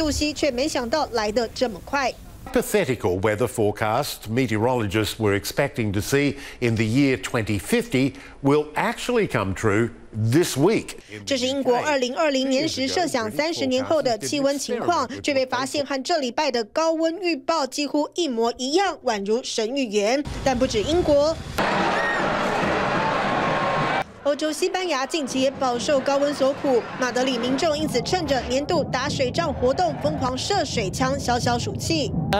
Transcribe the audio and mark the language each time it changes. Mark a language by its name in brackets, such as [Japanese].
[Chinese] 属于温带海洋型气候的英国，许多民众家里连冷气都没装。而英国气象局过去虽然曾料到有天会飙破40度C，却没想到来得这么快。 [English] Hypothetical weather forecast meteorologists were expecting to see in the year 2050 will actually come true this week. [Chinese] 这是英国2020年时设想30年后的气温情况，却被发现和这礼拜的高温预报几乎一模一样，宛如神预言。但不止英国。欧洲西班牙近期也饱受高温所苦，马德里民众因此趁着年度打水仗活动疯狂射水枪消消暑气。